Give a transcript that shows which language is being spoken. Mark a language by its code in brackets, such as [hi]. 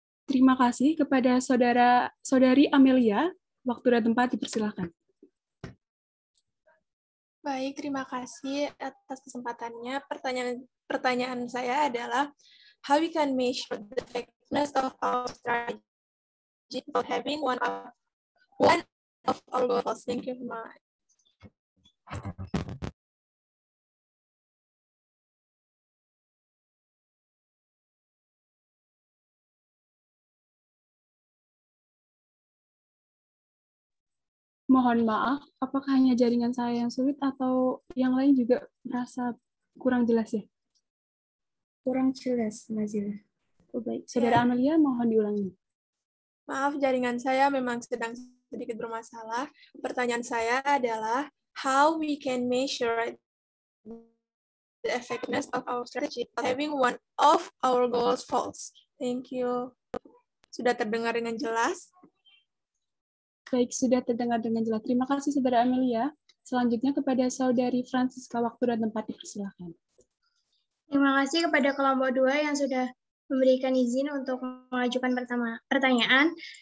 [id] Terima kasih kepada saudari Amelia. Waktu dan tempat dipersilakan. Baik, terima kasih atas kesempatannya. Pertanyaan saya adalah, [en] how we can measure the effectiveness of our strategy for having one of our goals? Thank you very much. [id] Mohon maaf, apakah hanya jaringan saya yang sulit atau yang lain juga merasa kurang jelas ya? Kurang jelas, Nazila. Oh, baik. Saudara ya. Amelia, mohon diulangi. Maaf, jaringan saya memang sedang sedikit bermasalah. Pertanyaan saya adalah, [en] how we can measure the effectiveness of our strategy having one of our goals false? Thank you. [id] Sudah terdengar dengan jelas? Baik, sudah terdengar dengan jelas. Terima kasih, Saudara Amelia. Selanjutnya kepada Saudari Francisca, waktu dan tempat dipersilakan. Terima kasih kepada kelompok 2 yang sudah memberikan izin untuk mengajukan pertanyaan.